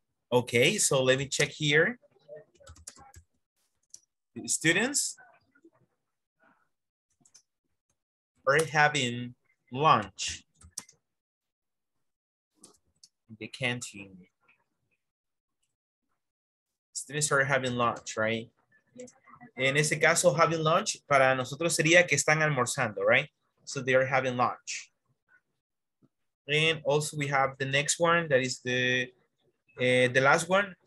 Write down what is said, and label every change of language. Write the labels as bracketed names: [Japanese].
[English] Okay, so let me check here. The students are having lunch in the canteen. Students are having lunch, right? [Spanish] En ese caso, [English] having lunch, [Spanish] para nosotros sería que están almorzando, right? [English] So they are having lunch. And also we have the next one, that is the last one.